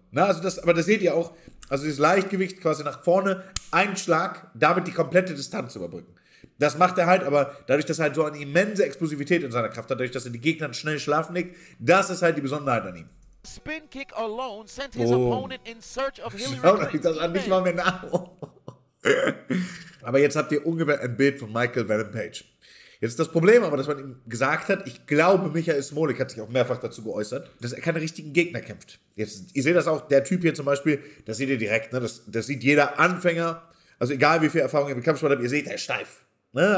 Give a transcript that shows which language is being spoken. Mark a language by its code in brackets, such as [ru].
[de] Na, also das, aber das seht ihr auch. Also dieses Leichtgewicht quasi nach vorne. Ein Schlag, damit die komplette Distanz überbrücken. Das macht er halt, aber dadurch, dass er halt so eine immense Explosivität in seiner Kraft hat, dadurch, dass er die Gegner schnell schlafen legt, das ist halt die Besonderheit an ihm. [en] Spin kick alone sent his opponent in search of Hillary. [de] Schaut euch das an, nicht mal mehr nach. Aber jetzt habt ihr ungefähr ein Bild von Michael Venom Page. Jetzt das Problem aber, dass man ihm gesagt hat, ich glaube, Michael Smolik hat sich auch mehrfach dazu geäußert, dass er keine richtigen Gegner kämpft. Jetzt, ihr seht das auch, der Typ hier zum Beispiel, das seht ihr direkt, ne? Das sieht jeder Anfänger, also egal wie viel Erfahrung ihr im Kampfsport habt, ihr seht, der ist steif. Ne?